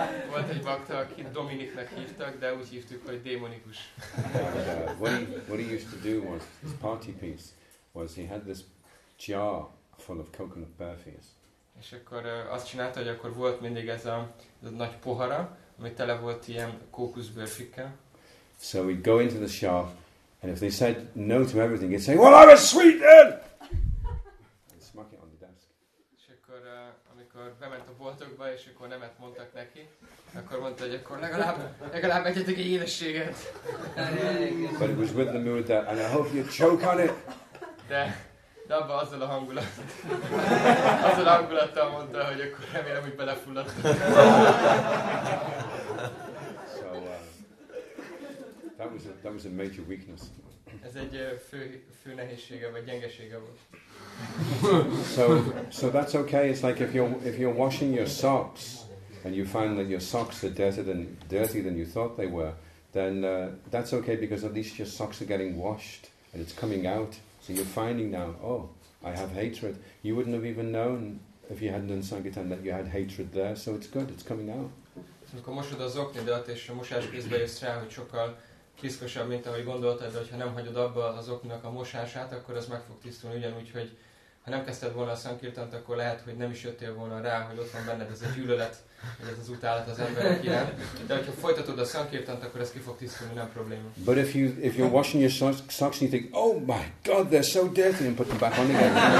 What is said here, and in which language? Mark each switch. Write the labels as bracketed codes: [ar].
[hu] Volt egy bakta, akit Dominicnek hívtak, de úgy hívtuk, hogy démonikus. [en] What he used to do was, his party piece, was he had this jar full of coconut burfis. [hu] És akkor azt csinálta, hogy akkor volt mindig ez a nagy pohara, ami tele volt ilyen kókuszbörfikkel. [en] So we'd go into the shop, and if they said no to everything, he'd say, well, I'm a sweet then! And smack it on the desk. [hu] És akkor, amikor bement a boltokba, és akkor nemet mondtak neki, akkor mondta, hogy akkor legalább egyetek egy édességet. [en] But it was with the mood that, and I hope you choke on it. [hu] De abban azzal a hangulattal mondta, hogy akkor remélem, hogy belefulladtak. [en] That was a major weakness. [hu] Ez egy fő nehézsége vagy gyengesége volt. [en] So that's okay. It's like if you're washing your socks and you find that your socks are dirtier than you thought they were, then that's okay because at least your socks are getting washed and it's coming out. So you're finding now, oh, I have hatred. You wouldn't have even known if you hadn't done Sankirtan that you had hatred there. So it's good. It's coming out. [hu] Amikor mosod az oknidat és a mosás közben jössz rá, hogy sokkal piszkosabb, mint ahogy gondoltad, de hogyha nem hagyod abba az oknak a mosását, akkor az meg fog tisztulni. Ugyanúgy, hogy ha nem kezdted volna a Sankirtant, akkor lehet, hogy nem is jöttél volna rá, hogy ott van benned ez a gyűlölet, vagy ez az utálat az emberek iránt. De hogyha folytatod a Sankirtant, akkor ez ki fog tisztulni, nem probléma. [en] But if you're washing your socks and you think, oh my god, they're so dirty, and put them back on again.